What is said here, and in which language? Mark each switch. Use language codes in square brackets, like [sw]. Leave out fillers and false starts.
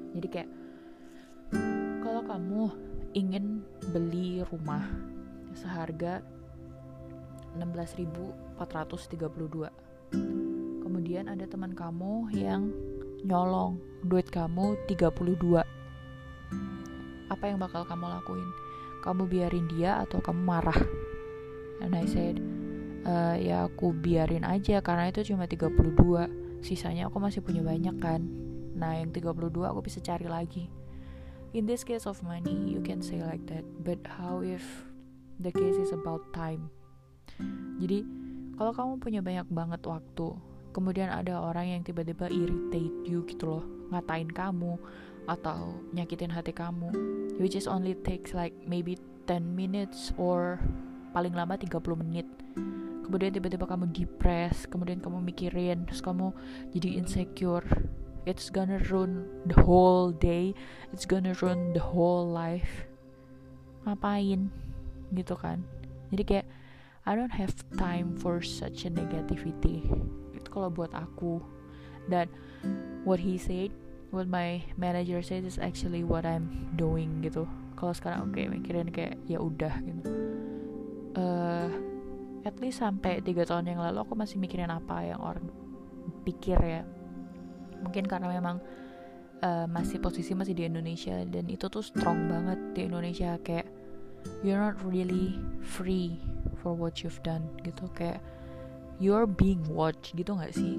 [id] Jadi kayak, kalau kamu ingin beli rumah seharga 16.432, kemudian ada teman kamu yang nyolong duit kamu 32, apa yang bakal kamu lakuin? Kamu biarin dia atau kamu marah? [en] And I said, [id] ya aku biarin aja karena itu cuma 32, sisanya aku masih punya banyak kan. Nah yang 32 aku bisa cari lagi. [en] In this case of money, you can say like that. But how if the case is about time? [id] Jadi kalau kamu punya banyak banget waktu, kemudian ada orang yang tiba-tiba [en] irritate you [id] gitu loh, ngatain kamu atau nyakitin hati kamu, [en] which is only takes like maybe 10 minutes or [id] paling lama 30 menit. Kemudian tiba-tiba kamu depressed, kemudian kamu mikirin, terus kamu jadi insecure. [en] It's gonna ruin the whole day. It's gonna ruin the whole life. [id] Ngapain? Gitu kan? Jadi kayak, [en] I don't have time for such a negativity. [id] Itu kalau buat aku. Dan [en] what he said, what my manager said is actually what I'm doing gitu. [id] Kalau sekarang oke, okay, mikirin kayak ya udah gitu. [en] At least [id] sampai 3 tahun yang lalu aku masih mikirin apa yang orang pikir ya. Mungkin karena memang masih posisi masih di Indonesia dan itu tuh strong banget di Indonesia, kayak [en] you're not really free for what you've done [id] gitu, kayak [en] you're being watched [id] gitu enggak sih?